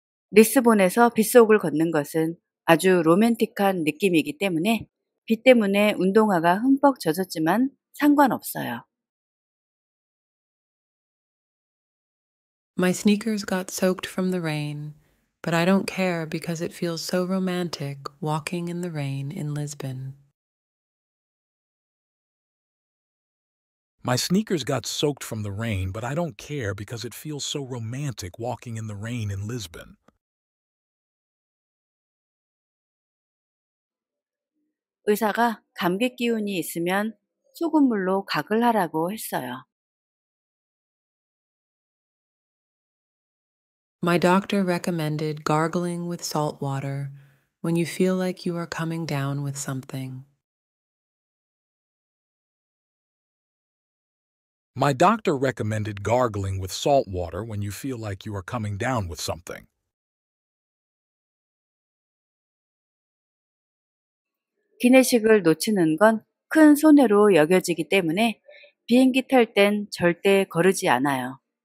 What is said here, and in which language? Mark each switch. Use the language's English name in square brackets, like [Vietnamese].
[Korean] 리스본에서 빗속을 걷는 것은 아주 로맨틱한 느낌이기 때문에 비 때문에 운동화가 흠뻑 젖었지만 상관없어요. [English] My sneakers got soaked from the rain, but I don't care because it feels so romantic walking in the rain in Lisbon. My sneakers got soaked from the rain, but I don't care because it feels so romantic walking in the rain in Lisbon. [Korean] 의사가 감기 기운이 있으면 소금물로 각을 하라고 했어요. [English] My doctor recommended gargling with salt water when you feel like you are coming down with something. My doctor recommended gargling with salt water when you feel like you are coming down with something. [Korean] 기내식을 놓치는 건 큰 손해로 여겨지기 때문에 비행기 탈 땐 절대 거르지 않아요.